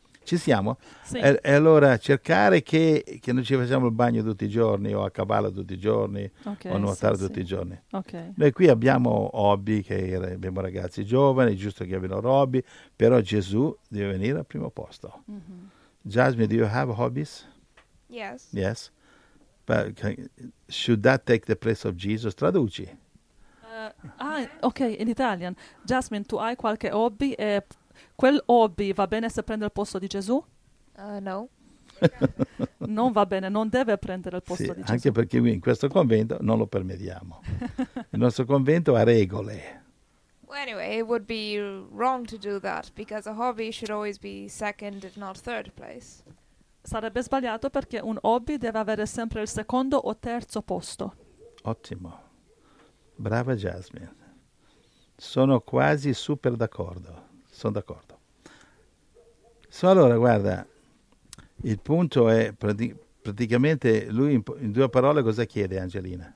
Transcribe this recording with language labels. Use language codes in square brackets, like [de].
[it] Ci siamo? Sì. E allora cercare che non ci facciamo il bagno tutti i giorni o a cavallo tutti i giorni okay, o nuotare sì, tutti sì. i giorni. Okay. Noi qui abbiamo hobby, che abbiamo ragazzi giovani, è giusto che abbiano hobby, però Gesù deve venire al primo posto. Mm-hmm. [en] Jasmine, do you have hobbies? Yes. Yes. Should that take the place of Jesus? [it] Traduci. [en] Ok, in Italian. [it] Jasmine, tu hai qualche hobby? E quel hobby va bene se prende il posto di Gesù? No. Non va bene, non deve prendere il posto sì, di Gesù. Anche perché in questo convento non lo permettiamo. Il nostro convento ha regole. [en] Well, anyway, it would be wrong to do that because a hobby should always be second if not third place. [it] Sarebbe sbagliato perché un hobby deve avere sempre il secondo o terzo posto. Ottimo. Brava Jasmine. Sono quasi super d'accordo. Sono d'accordo. So, allora, guarda, il punto è praticamente lui in due parole cosa chiede, Angelina?